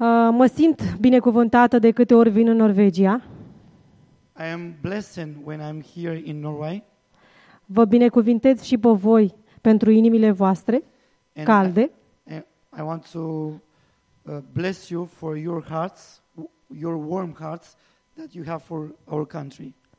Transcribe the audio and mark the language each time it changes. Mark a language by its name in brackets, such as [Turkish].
[Romanian] Mă simt binecuvântată de câte ori vin în Norvegia. [English] I am blessed when I'm here in Norway. [Romanian] Vă binecuvintez și pe voi pentru inimile voastre calde. [English] I want to bless you for your hearts, your warm hearts that you have for our country.